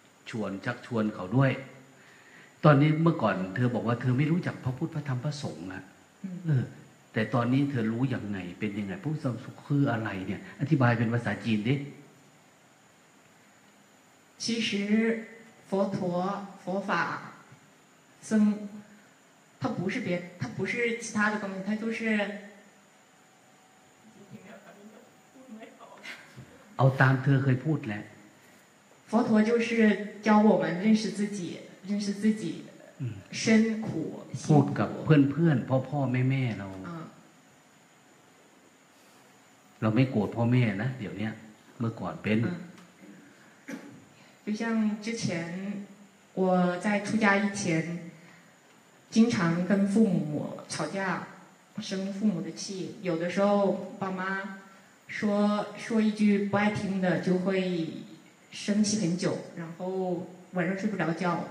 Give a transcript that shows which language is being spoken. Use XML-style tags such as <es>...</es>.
<th>ชวนชักชวนเขาด้วยตอนนี้เมื่อก่อนเธอบอกว่าเธอไม่รู้จักพระพุทธพระธรรมพระสงฆ์อ่ะแต่ตอนนี้เธอรู้ยังไงเป็นยังไงพระพุทธพระสงฆ์คืออะไรเนี่ยอธิบายเป็นภาษาจีนดิ</th> <zh>其实佛陀佛法僧它不是别，它不是其他的东西，它就是。</zh> <th>เอาตามเธอเคยพูดแหละ</th> <zh>佛陀就是教我们认识自己，认识自己，身苦。</zh> <th>พูดกับเพื่อนๆพ่อๆแม่ๆเรา เราไม่โกรธพ่อแม่นะเดี๋ยวนี้เมื่อก่อนเป็น</th> <zh>就像之前我在出家以前。经常跟父母吵架，生父母的气。有的时候，爸妈说一句不爱听的，就会生气很久，然后晚上睡不着觉。</zh>